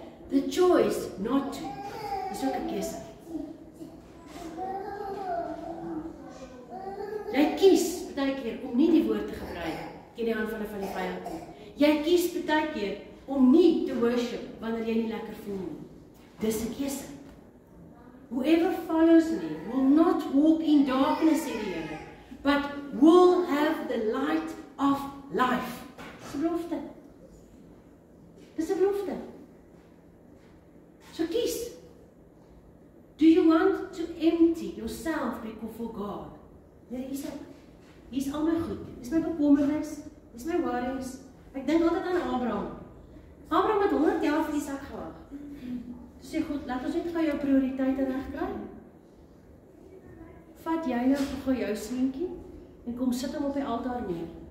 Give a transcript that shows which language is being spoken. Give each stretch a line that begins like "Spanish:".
English: The choice not to is
Afrikaans: ook 'n keuse. Jy kies partykeer om nie die woord te gebruik teen die aanvalle van die vyand nie. Jy kies partykeer om nie te worship wanneer jy nie lekker voel nie. Dis 'n keuse.
English: Whoever follows me will not walk in darkness,
Afrikaans: sê die Here,
English: but will have the light of life.
Afrikaans: Dis 'n belofte. Dis 'n belofte. So kies.
English: Do you want to empty yourself before God?
Afrikaans: Here is ek. Hier is al my goed. Dis my bekommernis. Dis my worries. Ek dink altyd aan Abraham. Abraham het 100 jaar vir Isak gewag. Toe sê God, laat ons net gou jou prioriteite regkry. Vat jy nou gou jou seentjie en kom sit hom op die altaar neer.